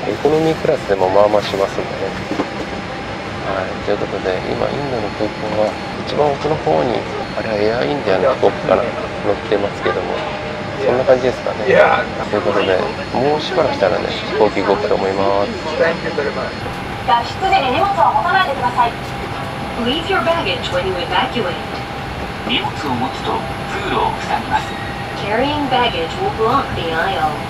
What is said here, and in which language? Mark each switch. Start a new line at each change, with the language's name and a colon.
Japanese: エコノミークラスでもまあまあしますんでね。はい、ということで今インドの空港は一番奥の方に、あれはエアインディアの飛行機から乗ってますけども、そんな感じですかね。ということでもうしばらくしたらね飛行機動くと思います。脱出時に荷物は持たないでください。
English: Leave your baggage when you evacuate.
Japanese: 荷物を持つと通路を塞ぎます。
English: Carrying baggage will block the aisle.